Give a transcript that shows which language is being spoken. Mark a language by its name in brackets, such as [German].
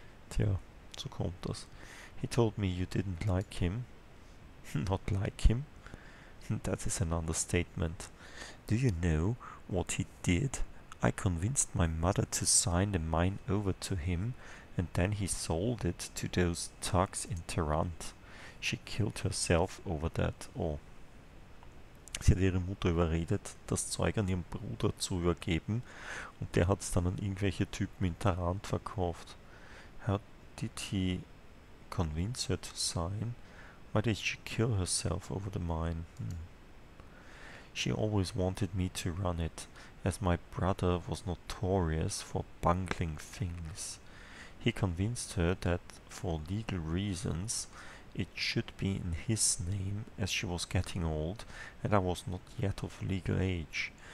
[German] Tja, so kommt das. [English] He told me you didn't like him. Not like him? That is an understatement. Do you know what he did? I convinced my mother to sign the mine over to him, and then he sold it to those thugs in Tarant. She killed herself over that. Oh. [German] Sie hat ihre Mutter überredet, das Zeug an ihren Bruder zu übergeben, und der hat es dann an irgendwelche Typen in Tarant verkauft. [English] How did he convince her to sign? Why did she kill herself over the mine? Hm. She always wanted me to run it, as my brother was notorious for bungling things. He convinced her that for legal reasons it should be in his name, as she was getting old and I was not yet of legal age.